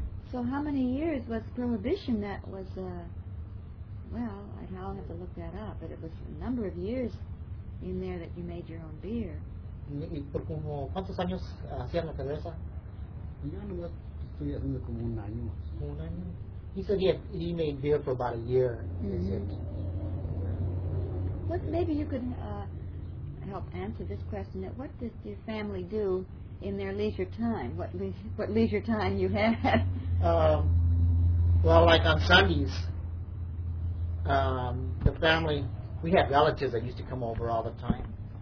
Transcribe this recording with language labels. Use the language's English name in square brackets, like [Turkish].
[English] So how many years was prohibition that was, I'll have to look that up, but it was a number of years in there that you made your own beer. [Spanish] ¿Y por como cuántos años hacían la cerveza? Yo no más estoy haciendo como un año. ¿Un año? [English] He said he made beer for about a year. Mm-hmm. But maybe you could help answer this question. What does your family do in their leisure time, what leisure time you had. Well, like on Sundays, the family, we had relatives that used to come over all the time.